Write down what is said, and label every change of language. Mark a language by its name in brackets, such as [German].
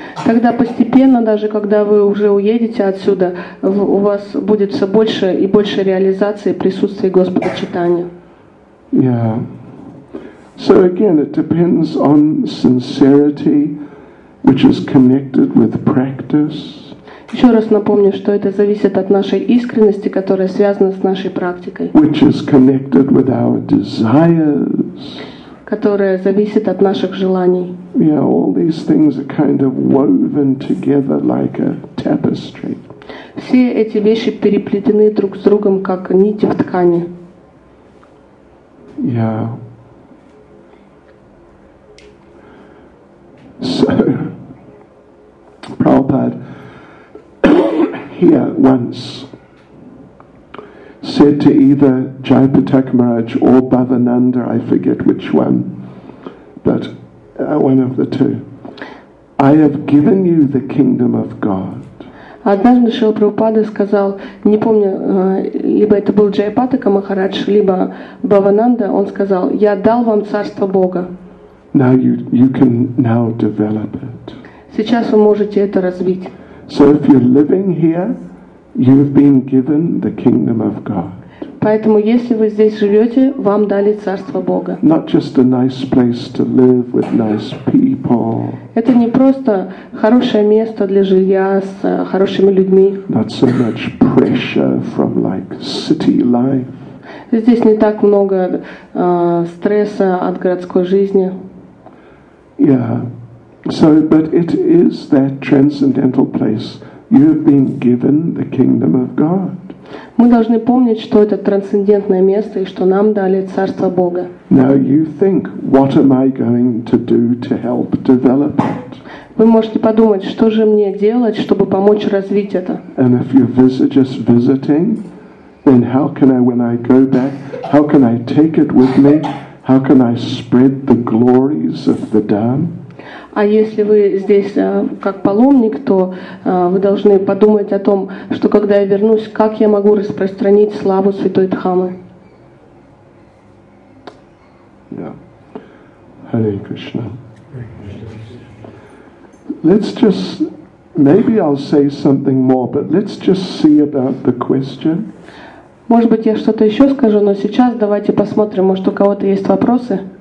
[Russian] Тогда постепенно, даже когда вы уже уедете отсюда, у вас будет все больше и больше реализации присутствия Господа Чайтаньи. [English] Yeah. So again, it depends on sincerity, which is connected with practice. [Russian] Еще раз напомню, что это зависит от нашей искренности, которая связана с нашей практикой. [English] Which is connected with our desires. [Russian] Которая зависит от наших желаний. [English] Yeah, all these things are kind of woven together like a tapestry. [Russian] Все эти вещи переплетены друг с другом, как нити в ткани. [English] Yeah. So, Prabhupada here once said to either Jayapataka Maharaj or Bhavananda, I forget which one, but one of the two, I have given you the kingdom of God. [Russian] Однажды Шрила Прабхупада сказал, не помню, либо это был Джайпатака Махарадж, либо Бхавананда, он сказал, я дал вам царство Бога. [English] Now you can now develop it. [Russian] Сейчас вы можете это развить. [English] So if you're living here, you've been given the kingdom of God. [Russian] Поэтому если вы здесь живете, вам дали царство Бога. [English] Not just a nice place to live with nice people. [Russian] Это не просто хорошее место для жилья с хорошими людьми. [English] Not so much pressure from like city life. [Russian] Здесь не так много стресса от городской жизни. [English] Yeah. So, but it is that transcendental place. You have been given the kingdom of God. [Russian] Мы должны помнить, что это трансцендентное место и что нам дали царство Бога. [English] Now you think, what am I going to do to help develop it? [Russian] Вы можете подумать, что же мне делать, чтобы помочь развить это? [English] And if you visit, just visiting, then how can I, when I go back, how can I take it with me? How can I spread the glories of the Dham? [Russian] А если вы здесь как паломник, то вы должны подумать о том, что когда я вернусь, как я могу распространить славу Святой Дхаммы. [English] Yeah. Hare Krishna. Let's just, maybe I'll say something more, but let's just see about the question. [Russian] Может быть, я что-то еще скажу, но сейчас давайте посмотрим, может, у кого-то есть вопросы?